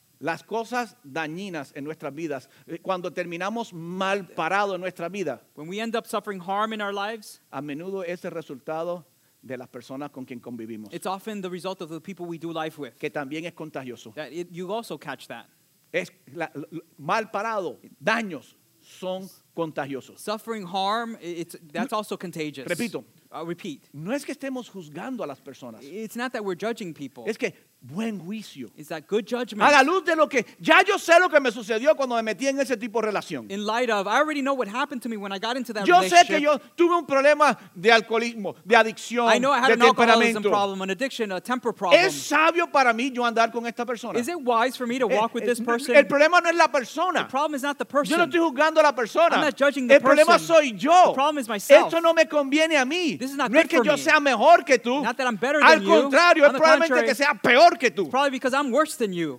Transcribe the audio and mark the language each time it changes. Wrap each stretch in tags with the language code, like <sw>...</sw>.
<es>Las cosas dañinas en nuestras vidas, cuando terminamos mal parado en nuestra vida,</es> <en>when we end up suffering harm in our lives,</en> <es>a menudo es el resultado de las personas con quien convivimos.</es> <en>It's often the result of the people we do life with.</en> <es>Que también es contagioso.</es> <en>That it, you also catch that.</en> <es>Es mal parado, daños son contagiosos.</es> <en>Suffering harm, that's also contagious.</en> <es>Repito.</es> <en>I'll repeat.</en> <es>No es que estemos juzgando a las personas.</es> <en>It's not that we're judging people.</en> <es>Es que buen juicio.</es> <en>It's that good judgment.</en> <es>A la luz de lo que ya yo sé lo que me sucedió cuando me metí en ese tipo de relación.</es> <en>In light of, I already know what happened to me when I got into that</en> <es>yo</es> <en>relationship.</en> <es>Yo sé que yo tuve un problema de alcoholismo, de adicción,</es> <en>I know I had</en> <es>de</es> <en>an alcoholism problem, an addiction, a temper problem.</en> <es>¿Es sabio para mí yo andar con esta persona?</es> <en>Is it wise for me to walk with this person?</en> <es>El problema no es la persona.</es> <en>The problem is not the person.</en> <es>Yo no estoy juzgando a la persona.</es> <en>I'm not judging the</en> <es>el</es> <en>person.</en> <es>El problema soy yo.</es> <en>The problem is myself.</en> <es>Esto no me conviene a mí.</es> <en>This is not</en> <es>no</es> <en>good</en> <es>es que</es> <en>for</en> <es>yo</es> <en>me.</en> <es>Sea mejor que tú.</es> <en>Not that I'm better</en> <es>al</es> <en>than</en> <es>contrario,</es> <en>you.</en> <es>Es probablemente</es> <en>contrary,</en> <es>que sea peor. Que tú.</es> <en>It's probably because I'm worse than you.</en>